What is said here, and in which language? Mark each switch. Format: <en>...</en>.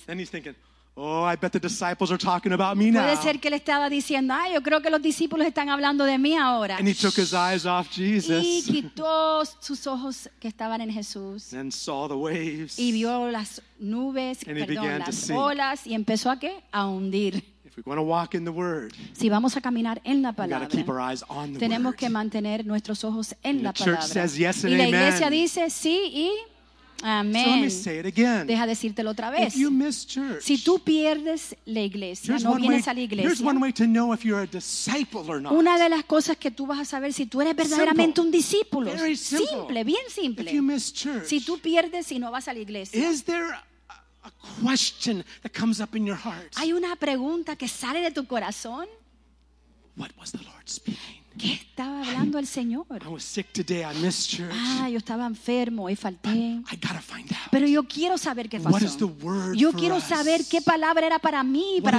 <en>And he's thinking, oh, I bet the disciples are talking about me</en> <es>puede</es> <en>now.</en> <es>Puede ser que le estaba diciendo, ay, yo creo que los discípulos están hablando de mí ahora.</es> <en>And he took his eyes off Jesus.</en> <es>Y quitó sus ojos que estaban en Jesús.</es> <en>And saw the waves.</en> <es>Y vio las nubes,</es> <en>and</en> <es>perdón,</es> <en>he began</en> <es>las</es> <en>to sink.</en> <es>Olas, y empezó a qué? A hundir.</es> <en>If we want to walk in the word,</en> <es>si vamos a caminar en la palabra,</es> <en>we got to keep our eyes on the</en> <es>tenemos</es> <en>word.</en> <es>Que mantener nuestros ojos en</es> <en>and</en> <es>la</es> <en>the church</en> <es>palabra.</es> <en>Says yes and</en> <es>y la iglesia</es> <en>amen.</en> <es>Dice sí y amén.</es> <en>So let me say it again.</en> <es>Deja decírtelo otra vez.</es> <en>If you miss church,</en> <es>si tú pierdes la iglesia, no vienes</es> <en>way,</en> <es>a la iglesia.</es> <en>Here's one way to know if you're a disciple or not.</en> <es>Una de las cosas que tú vas a saber si tú eres verdaderamente</es> <en>simple.</en> <es>Un discípulo.</es> <en>Very simple.</en> <es>Simple, bien simple.</es> <en>If you miss church,</en> <es>si tú pierdes y no vas a la iglesia.</es> <en>Is there a question that comes up in your heart?</en> <es>¿Hay una pregunta que sale de tu corazón?</es> <en>What was the Lord speaking?</en> <es>¿Qué estaba hablando el Señor?</es> <en>I was sick today. I missed church.</en> <es>Ah, yo estaba enfermo y falté.</es> <en>But I gotta find out.</en> <es>Pero yo quiero saber qué pasó.</es> <en>What is the word</en> <es>yo</es> <en>for</en> <es>quiero saber</es> <en>us?</en> <es>Qué palabra era para mí y para</es>